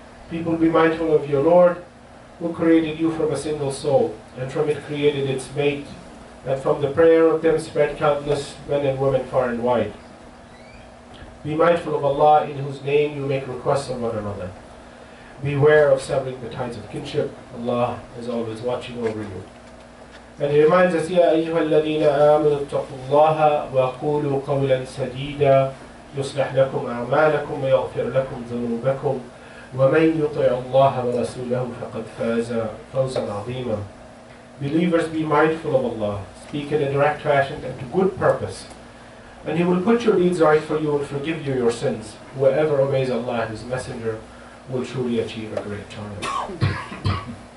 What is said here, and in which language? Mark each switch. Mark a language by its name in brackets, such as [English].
[English] People be mindful of your Lord who created you from a single soul and from it created its mate and from the prayer of them spread countless men and women far and wide Be mindful of Allah in whose name you make requests of one another Beware of severing the ties of kinship. Allah is always watching over you. And he reminds us, [Arabic] يَا أَيُّهَا الَّذِينَ آمَنُوا اتَّقُوا اللَّهَ وَقُولُوا قَوْلًا سَدِيدًا يُصْلِحْ لَكُمْ أَعْمَالَكُمْ وَيَغْفِرْ لَكُمْ ذُنُوبَكُمْ وَمَنْ يُطِعُ اللَّهَ وَرَسُولَهُ فَقَدْ فَازَ فَوْزًا عَظِيمًا [English] Believers, be mindful of Allah. Speak in a direct fashion and to good purpose. And He will put your deeds right for you and forgive you your sins. Whoever obeys Allah and His Messenger, will truly achieve a great triumph.